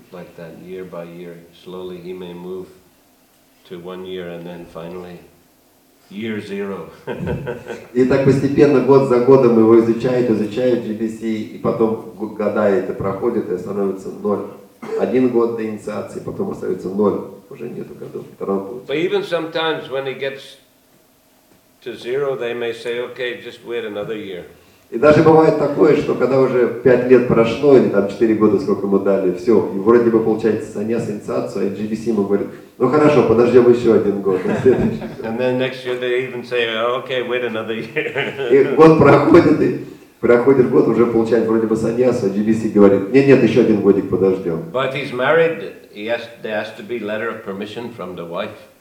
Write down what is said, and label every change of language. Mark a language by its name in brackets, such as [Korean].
[English] Like that, year by year, slowly he may move to 1 year and then finally year zero. [Russian] И так постепенно, год за годом его изучают GBC, и потом года это проходит, и становится ноль. Один год до инициации, потом остается ноль, уже нету годов. [English] But even sometimes when he gets to zero, they may say, okay, just wait another year. [Russian] И даже бывает такое, что когда уже 5 лет прошло, или там 4 года, сколько ему дали, все, и вроде бы получается саньяса инициацию, а GBC ему говорит, ну хорошо, подождем еще один год. [English] And then next year they even say, okay, wait another year. [Russian] И год проходит, уже получает вроде бы саньяса, а GBC говорит, нет, еще один годик подождем. [English] But he's married, there has to be letter of permission from the wife.